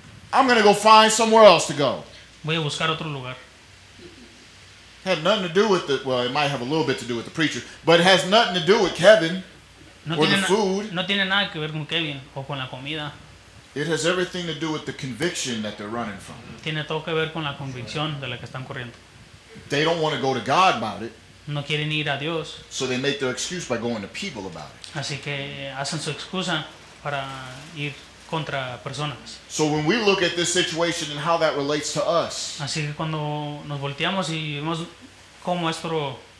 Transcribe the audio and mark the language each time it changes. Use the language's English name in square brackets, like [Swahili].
[English] I'm going to go find somewhere else to go. [Spanish] Voy a buscar otro lugar. [English] Had nothing to do with the, well, it might have a little bit to do with the preacher, but it has nothing to do with Kevin. [Spanish] No tiene nada que ver con Kevin o con la comida. [English] It has everything to do with the conviction that they're running from. [Spanish] Tiene todo que ver con la convicción de la que están corriendo. [English] They don't want to go to God about it. [Spanish] No quieren ir a Dios. [English] So they make their excuse by going to people about it. [Spanish] Así que hacen su excusa para ir contra personas. [English] So when we look at this situation and how that relates to us. [Spanish] Así que cuando nos volteamos y vemos cómo esto.